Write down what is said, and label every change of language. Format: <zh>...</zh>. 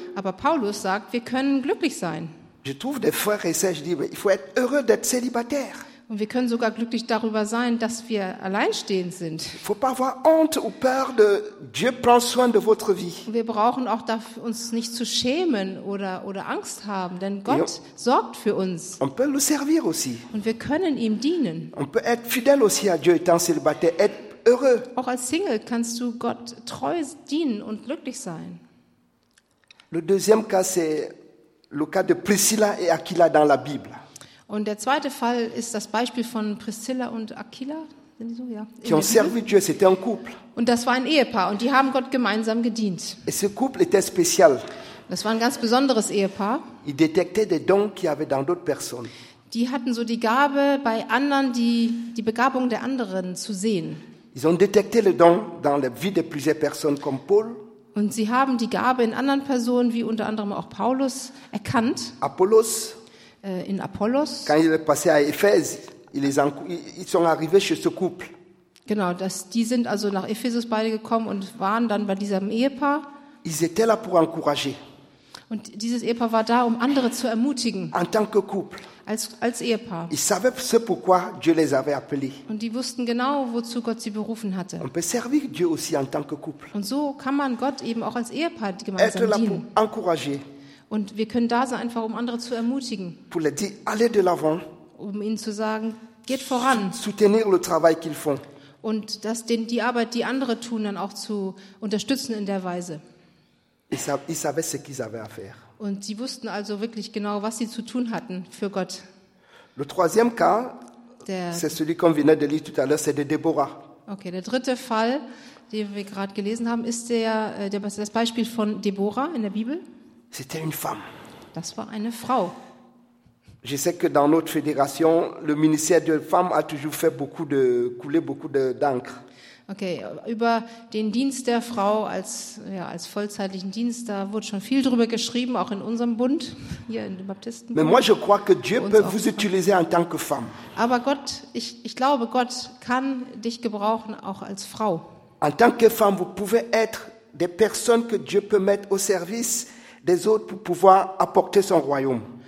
<de>Aber Paulus sagt, wir können glücklich sein.</de> <fr>Je trouve des frères et sœurs, je dis, il faut être heureux d'être célibataire.</fr> <de>Und wir können sogar glücklich darüber sein, dass wir alleinstehend sind.</de> <fr>Il faut pas avoir honte ou peur de Dieu prend soin de votre vie.</fr> <de>Wir brauchen auch dafür, uns nicht zu schämen oder Angst haben, denn Gott sorgt für uns.</de> <fr>On peut le servir aussi.</fr> <de>Und wir können ihm dienen.</de> <fr>On peut être fidèle aussi à Dieu étant célibataire, être heureux.</fr> <de>Auch als Single kannst du Gott treu dienen und glücklich sein.</de> <fr>Le deuxième cas c'est le cas de Priscilla et Aquila dans la Bible.</fr> <de>Und der zweite Fall ist das Beispiel von Priscilla und Aquila. Sind die so? Ja.</de> <fr>Qui ont servi Dieu, c'était un couple.</fr> <de>Und das war ein Ehepaar und die haben Gott gemeinsam gedient.</de> <fr>Et ce couple était spécial.</fr> <de>Das war ein ganz besonderes Ehepaar.</de> <fr>Ils détectaient des dons qu'il y avait dans d'autres personnes.</fr> <de>Die hatten so die Gabe, bei anderen die Begabung der anderen zu sehen.</de> <fr>Ils ont détecté les dons dans la vie de plusieurs personnes comme Paul.</fr> <de>Und sie haben die Gabe in anderen Personen, wie unter anderem auch Paulus, erkannt.</de> <fr>Apollos.</fr> <de>In Apollos.</de> <fr>Quand il est passé à Éphèse, ils sont arrivés chez ce couple.</fr> <de>Genau, die sind also nach Ephesus beide gekommen und waren dann bei diesem Ehepaar.</de> <fr>Ils étaient là pour encourager.</fr> <de>Und dieses Ehepaar war da, um andere zu ermutigen.</de> <fr>En tant que couple.</fr> <de>Als Ehepaar.</de> <fr>Ils savaient ce pourquoi Dieu les avait appelés.</fr> <de>Und die wussten genau, wozu Gott sie berufen hatte.</de> <fr>On peut servir Dieu aussi en tant que couple.</fr> <de>Und so kann man Gott eben auch als Ehepaar gemeinsam dienen.</de> <fr>Être là pour encourager.</fr> <de>Und wir können da sein, einfach um andere zu ermutigen.</de> <fr>Pour les dire, allez de l'avant.</fr> <de>Um ihnen zu sagen, geht voran.</de> <fr>Soutenir le travail qu'ils font.</fr> <de>Und das, die Arbeit, die andere tun, dann auch zu unterstützen in der Weise.</de> <fr>Ils savaient ce qu'ils avaient à faire.</fr> <de>Und sie wussten also wirklich genau, was sie zu tun hatten für Gott.</de> <fr>Le troisième cas, c'est celui qu'on venait de lire tout à l'heure, c'est de Deborah.</fr> <de>Okay, der dritte Fall, den wir gerade gelesen haben, ist das Beispiel von Deborah in der Bibel.</de> <fr>C'était une femme.</fr> <de>Das war eine Frau.</de> <fr>Je sais que dans notre fédération, le ministère des femmes a toujours fait beaucoup de couler beaucoup d'encre.</fr> <de>Okay, über den Dienst der Frau als vollzeitlichen Dienst, da wurde schon viel drüber geschrieben, auch in unserem Bund, hier in den Baptistenbund.</de> <fr>Mais moi je crois que Dieu peut vous utiliser en tant que femme.</fr> <de>Aber Gott, ich glaube, Gott kann dich gebrauchen auch als Frau.</de> <fr>En tant que femme, vous pouvez être des personnes que Dieu peut mettre au service des autres pour pouvoir apporter son royaume.</fr>